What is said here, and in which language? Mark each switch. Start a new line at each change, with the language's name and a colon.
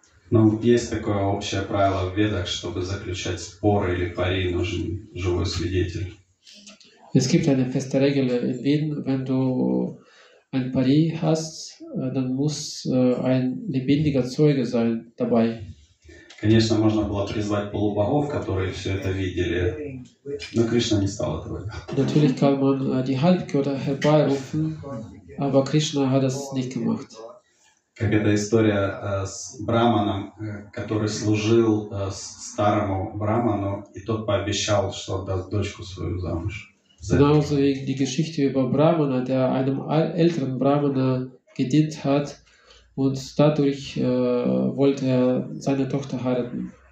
Russian: Ну, есть такое общее правило в ведах, чтобы заключать спор или пари, нужен живой свидетель.
German: Es gibt eine feste Regel in Wien, wenn du ein Pari hast, dann muss ein lebendiger Zeuge sein dabei.
Russian: Конечно, можно было призвать полубогов, которые все это видели, но Кришна не стал этого.
German: Natürlich kann man die Halbgötter herbeirufen, aber Krishna hat das nicht gemacht.
Russian: Как эта история с Браманом, который служил старому Браману, и тот пообещал, что отдаст дочку свою замуж.
German: Genauso wie die Geschichte über Brahmana, der einem älteren Brahmana gedient hat und dadurch wollte er seine Tochter heiraten.